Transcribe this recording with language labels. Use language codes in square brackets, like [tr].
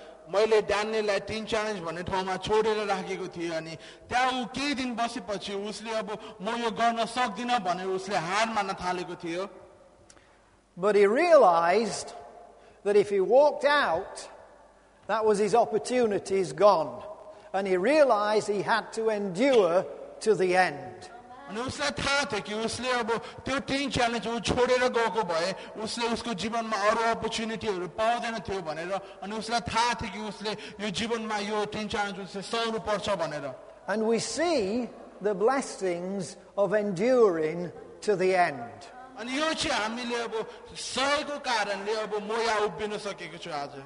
[ne] मैले ड्यानियललाई tin challenge भन्ने ठाउँमा छोडेर राखेको थिएँ अनि त्यहाँ ऊ केही दिन बसेपछि उसले अब म यो गर्न सक्दिनँ भनेर उसले हार मान्न थालेको थियो. [en] But he realized that if he walked out, that was his opportunities gone. And he realized he had to endure to the end. [ne] अनि उसलाई थाहा थियो कि उसले अब त्यो टिन च्यालेन्ज ऊ छोडेर गएको भए उसले उसको जीवनमा अरू अपर्च्युनिटीहरू पाउँदैन थियो भनेर अनि उसलाई थाहा थियो कि उसले यो जीवनमा यो टिन च्यालेन्ज उसले सहनु पर्छ भनेर. [en] And we see the blessings of enduring to the end. [ne] अनि यो चाहिँ हामीले अब सहेको कारणले अब म यहाँ उभिन सकेको छु आज.